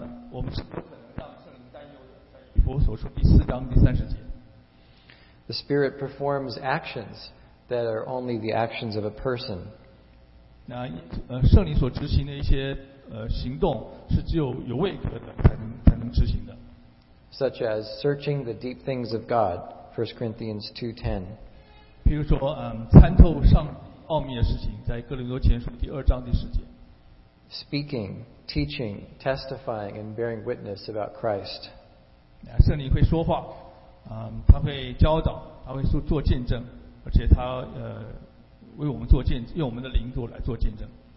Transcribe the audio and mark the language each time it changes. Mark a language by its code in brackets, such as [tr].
[zh] 我们是不可能让圣灵担忧的，在以弗所书4:30。 [en] The Spirit performs actions that are only the actions of a person. [zh] 圣灵所执行的一些行动是只有有位格的才能执行的。 [en] Such as searching the deep things of God, 1 Corinthians 2:10. [zh] 比如说，参透上奥秘的事情，在哥林多前书2:10。 [en] Speaking. Teaching, testifying, and bearing witness about Christ. [zh] 圣灵会说话，他会教导，他会做见证，而且他为我们做见证，用我们的灵做来做见证。